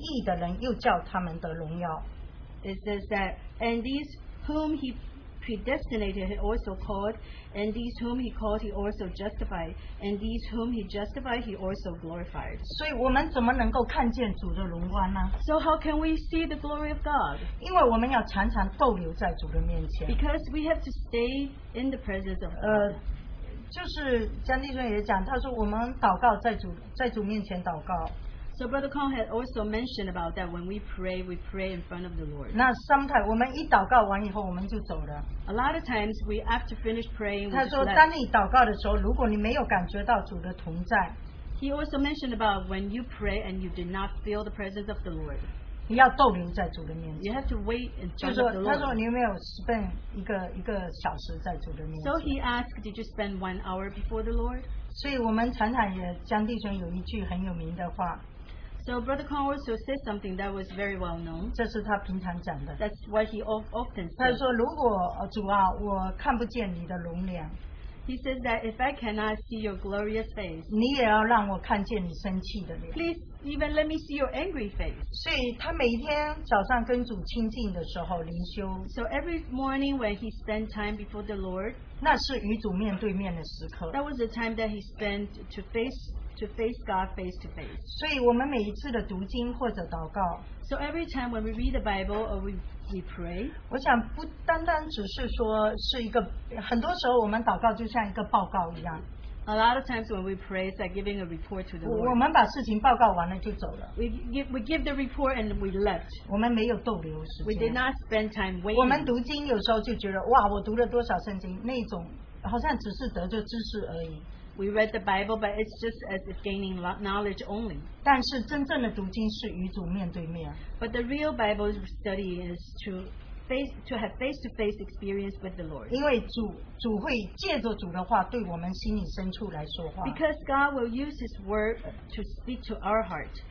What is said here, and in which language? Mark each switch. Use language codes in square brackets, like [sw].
[zh] 预先所定下的人又教他们来，所教来的人又称他们为义，所称为义的人又叫他们得荣耀。 [en] It says that, and these whom he predestinated, he also called, and these whom he called, he also justified, and these whom he justified, he also glorified. [zh] 所以我们怎么能够看见主的荣光呢？ [en] So how can we see the glory of God? [zh] 因为我们要常常逗留在主的面前。 [en] Because we have to stay in the presence of God. [zh] 就是江弟兄也讲，他说我们祷告在主面前祷告。 [en] So Brother Kong had also mentioned about that when we pray in front of the Lord. [zh] 那sometimes我们一祷告完以后，我们就走了。 [en] A lot of times we after finish praying. [zh] 他说，当你祷告的时候，如果你没有感觉到主的同在， [en] He also mentioned about when you pray and you did not feel the presence of the Lord. [zh] 你要逗留在主的面前。 [en] You have to wait in front of the Lord. [zh] 他说，你有没有spend一个小时在主的面前？ [en] So he asked, did you spend 1 hour before the Lord? [zh] 所以我们常常也江弟兄有一句很有名的话。 [en] So Brother Kong also said something that was very well known. [zh] 这是他平常讲的。 [en] That's what he often said. [zh] 他说，如果主啊，我看不见你的容颜。 [en] He says that if I cannot see your glorious face, [zh] 你也要让我看见你生气的脸。 [en] Please even let me see your angry face. [zh] 所以他每天早上跟主亲近的时候灵修。 [en] So every morning when he spent time before the Lord, [zh] 那是与主面对面的时刻。 [en] That was the time that he spent to face God face to face. [zh] 所以我们每一次的读经或者祷告, [en] so every time when we read the Bible or we pray, [zh] 我想不单单只是说是一个, 很多时候我们祷告就像一个报告一样。 [en] A lot of times when we pray, it's like giving a report to the Lord. [zh] 我们把事情报告完了就走了。 [en] We give the report and we left. [zh] 我们没有逗留时间。 [en] We did not spend time waiting. [zh] 我们读经有时候就觉得, 哇, 我读了多少圣经, 那种, 好像只是得着知识而已。 [en] We read the Bible, but it's just as if gaining knowledge only. [zh] 但是真正的读经是与主面对面。 [en] But the real Bible study is to have face-to-face experience with the Lord. [zh] 因为主会借着主的话对我们心里深处来说话。 [en] Because God will use His word to speak to our heart.